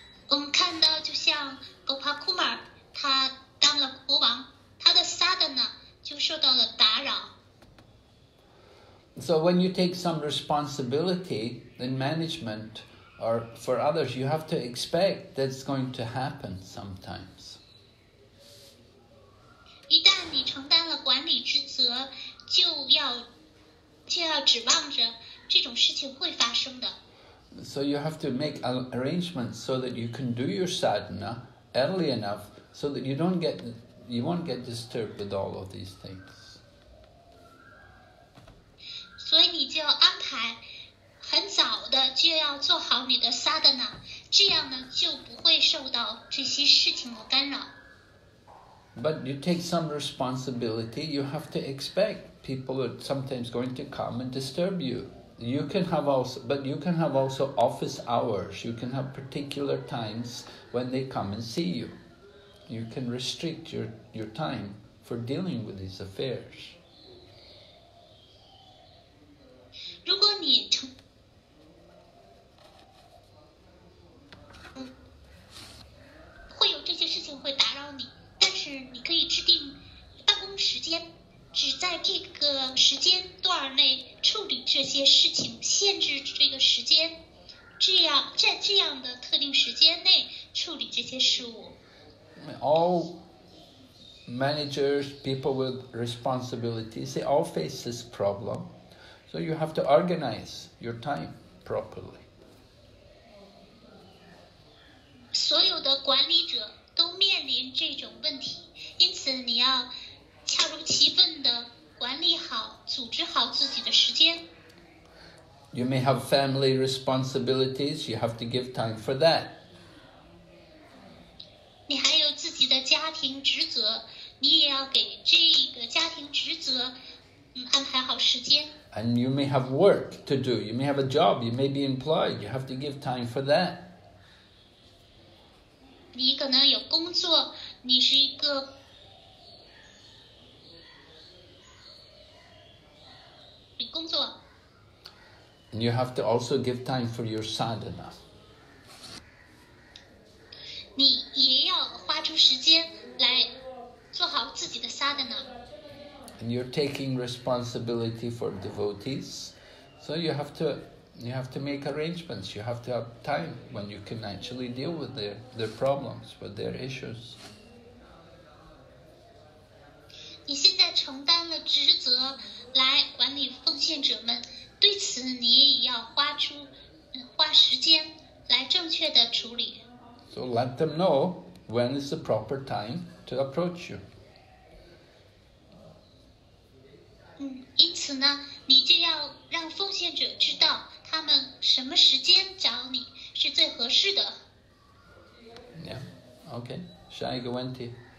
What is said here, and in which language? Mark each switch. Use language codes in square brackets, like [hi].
[zh] 我们看到就像 Gop Kumar 他当了国王，他的 sadhana 就受到了打扰。 [en] So when you take some responsibility in management or for others, you have to expect that's going to happen sometimes. [zh] 一旦你承担了管理职责，就要指望着这种事情会发生的。 [en] So you have to make arrangements so that you can do your sadhana early enough so that you don't get... You won't get disturbed with all of these things. [zh] 所以你就要安排很早的就要做好你的 sadhana， 这样呢就不会受到这些事情的干扰。 [en] But you take some responsibility. You have to expect people are sometimes going to come and disturb you. You can have also office hours. You can have particular times when they come and see you. You can restrict your time for dealing with these affairs. [zh] 如果你会有这些事情会打扰你，但是你可以制定办公时间，只在这个时间段内处理这些事情，限制这个时间，这样在这样的特定时间内处理这些事物。 [en] All managers, people with responsibilities, they all face this problem. So you have to organize your time properly. [zh] 所有的管理者都面临这种问题，因此你要恰如其分地管理好，组织好自己的时间。 [en] You may have family responsibilities, you have to give time for that. [zh] 你还有自己的家庭职责，你也要给这个家庭职责，安排好时间。 [en] And you may have work to do. You may have a job. You may be employed. You have to give time for that. [zh] 你可能有工作，你是一个工作。 [en] And you have to also give time for your sadhana. [zh] 你也要花出时间来做好自己的 sadhana. [en] And you're taking responsibility for devotees, so you have to make arrangements. You have to have time when you can actually deal with their problems, with their issues. [zh] 你现在承担了职责来管理奉献者们，对此你也要花时间来正确的处理。 [en] So let them know when is the proper time to approach you. [zh] 因此呢，你就要让奉献者知道他们什么时间找你是最合适的。 [en] Yeah. Okay. [zh] 下一个问题。